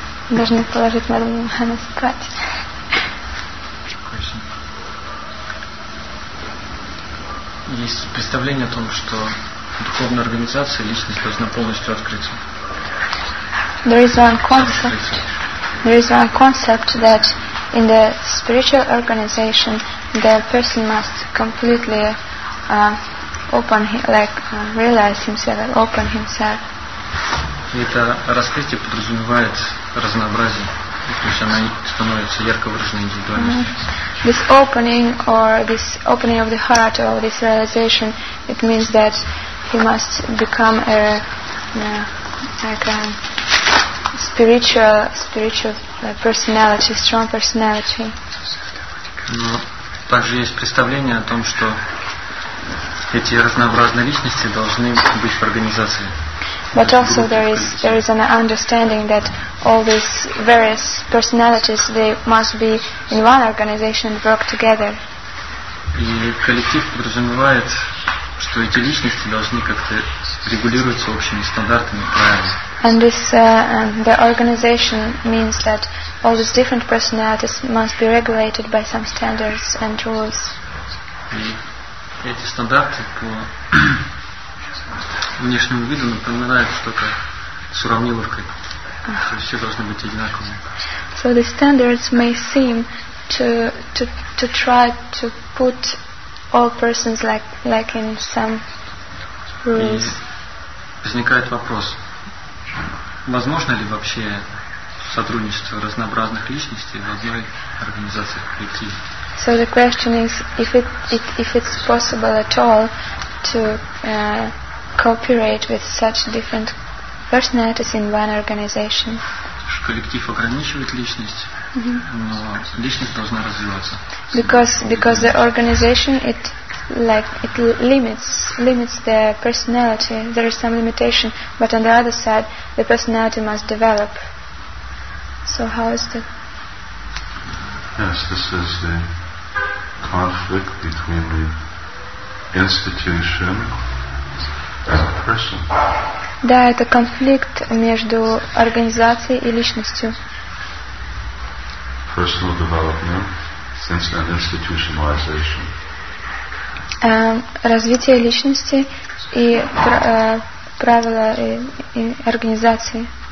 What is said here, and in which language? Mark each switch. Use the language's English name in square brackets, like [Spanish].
[Russian] Должны положить на руку, а не спать. Есть представление о том, что духовная организация, личность должна полностью открыться. [English] There is one concept that in the spiritual organization, the person must completely open, like realize himself, open himself. [Russian] И это раскрытие подразумевает разнообразие, то есть она становится ярко выраженной индивидуальностью. [English] This opening or this opening of the heart or this realization, it means that he must become a like a spiritual personality, strong personality. [Russian] Но также есть представление о том, что эти разнообразные личности должны быть в организации. [English] But also there is an understanding that all these various personalities, they must be in one organization and work together. [Russian] И коллектив подразумевает, что эти личности должны как-то регулироваться общими стандартами, правилами. [English] And this the organization means that all these different personalities must be regulated by some standards and rules. [Russian] И эти стандарты по внешнему виду напоминает что-то с уравниловкой. То есть все должны быть одинаковыми. [English] So the standards may seem to try to put all persons like in some rules. [Russian] И возникает вопрос, возможно ли вообще сотрудничество разнообразных личностей в одной организации коллективе? [English] So the question is if it's possible at all to cooperate with such different personalities in one organization. [Russian] Коллектив ограничивает личность, но личность должна развиваться. [English] Because the organization it limits the personality. There is some limitation, but on the other side, the personality must develop. So how is that? Yes, this is the conflict between the institution. [Russian] Да, это конфликт между организацией и личностью. [English] Personal development since an institutionalization. [Russian] Развитие личности и правила и организации.